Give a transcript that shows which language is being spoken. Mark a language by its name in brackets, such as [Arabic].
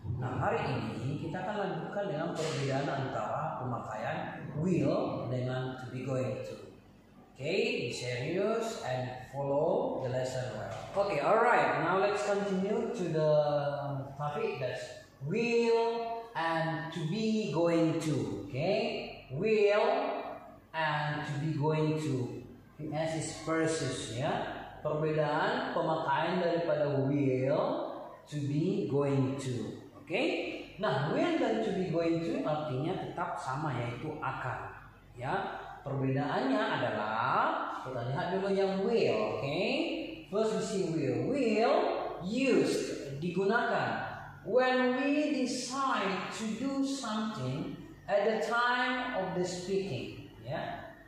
[Indonesian] Nah, hari ini kita akan lanjutkan dengan perbedaan antara pemakaian will dengan to be going to. [English] Okay, be serious and follow the lesson well. Okay, alright. Now let's continue to the topic that's will and to be going to. Okay. Will and to be going to. [Indonesian] As is versus, ya. Perbedaan pemakaian daripada will, to be, going to. Oke? Nah, will dan to be going to artinya tetap sama, yaitu akan. Ya. Perbedaannya adalah, kita lihat dulu yang will. [English] Oke? First we see will. Will used, digunakan. When we decide to do something at the time of the speaking, yeah.